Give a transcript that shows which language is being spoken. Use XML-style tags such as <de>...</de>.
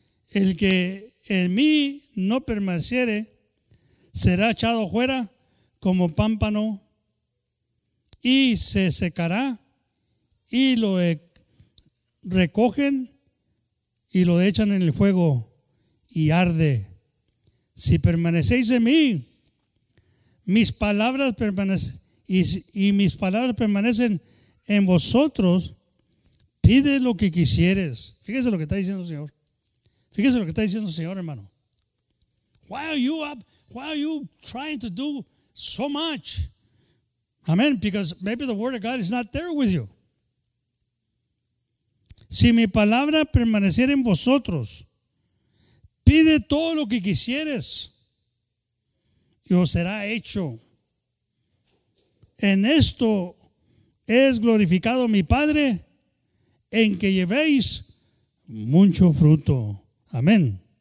<es>El que en mí no permaneciere será echado fuera como pámpano y se secará y lo recogen y lo echan en el fuego y arde. Si permanecéis en mí, mis palabras permanecen en vosotros, pide lo que quisieres. Fíjese lo que está diciendo el Señor. Fíjese lo que está diciendo el Señor, hermano.</es> <en>Why are you trying to do so much? Amen. Because maybe the word of God is not there with you.</en> <es>Si mi palabra permaneciera en vosotros, pide todo lo que quisieres y os será hecho. En esto es glorificado mi Padre, en que llevéis mucho fruto. Amén.</es>